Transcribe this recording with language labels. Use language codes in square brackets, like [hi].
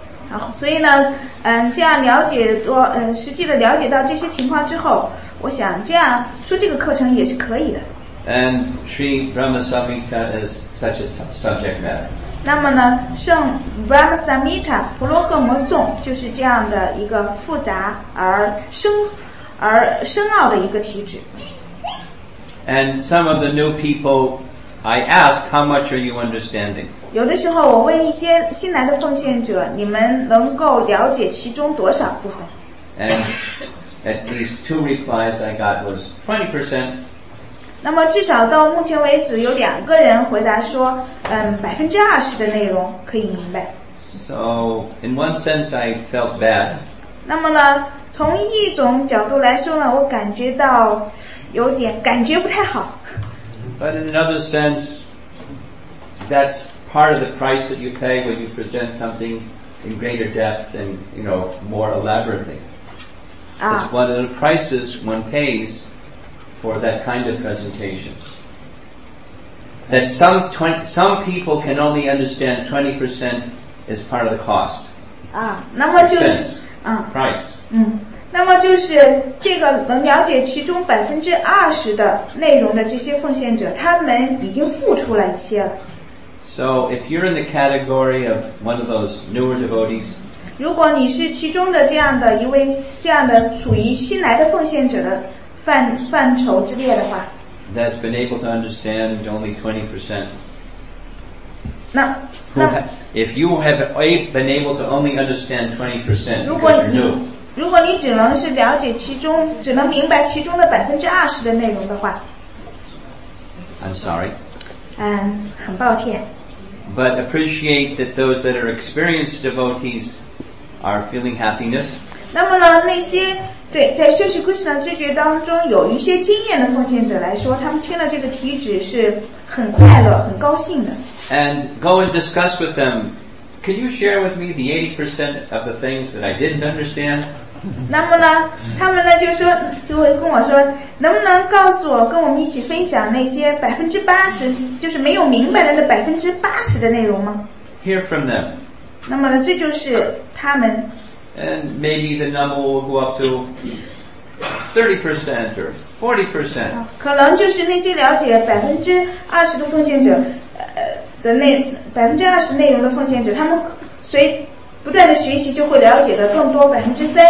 [zh] 好，所以呢，这样了解多，实际的了解到这些情况之后，我想这样说这个课程也是可以的。 [en] And Sri Brahma Samhita is such a subject matter. [zh] 那么呢，圣 Brahma Samhita 婆罗诃摩颂就是这样的一个复杂而深奥的一个题旨。 [en] And some of the new people. I ask, how much are you understanding? [zh] 有的时候我问一些新来的奉献者，你们能够了解其中多少部分？ [en] And at least two replies I got was 20%. [zh] 那么至少到目前为止有两个人回答说，20% 的内容可以明白。 [en] So in one sense I felt bad. [zh] 那么呢，从一种角度来说呢，我感觉到有点感觉不太好。 [en] But in another sense, that's part of the price that you pay when you present something in greater depth and, you know, more elaborately. It's one of the prices one pays for that kind of presentation. That some people can only understand 20% is part of the cost. [zh] Ah, 那么就是 [en] price. [zh] 那么就是这个能了解其中20%的内容的这些奉献者，他们已经付出了一些了。 [en] So if you're in the category of one of those newer devotees, [zh] 如果你是其中的这样的一位，这样的属于新来的奉献者的范畴之列的话， [en] that's been able to understand only 20%. [zh] 那 [en] if you have been able to only understand 20%, [zh] 如果你只能是了解其中，只能明白其中的20%的内容的话， [en] I'm sorry. [zh] 很抱歉。 [en] But appreciate that those that are experienced devotees are feeling happiness. [zh] 那么呢，那些对在修习 Krishna 这个当中有一些经验的奉献者来说，他们听了这个题旨是很快乐、很高兴的。 [en] And go and discuss with them. Can you share with me the 80% of the things that I didn't understand? [zh] 那么呢，他们呢就会跟我说，能不能告诉我，跟我们一起分享那些80%，就是没有明白的那80%的内容吗 [en] ？Hear from them. [zh] 那么呢，这就是他们。 [en] And maybe the number will go up to 30% or 40%. [zh] 可能就是那些了解20%的奉献者，的20%内容的奉献者，他们随。不断的学习就会了解的更多30%-40%。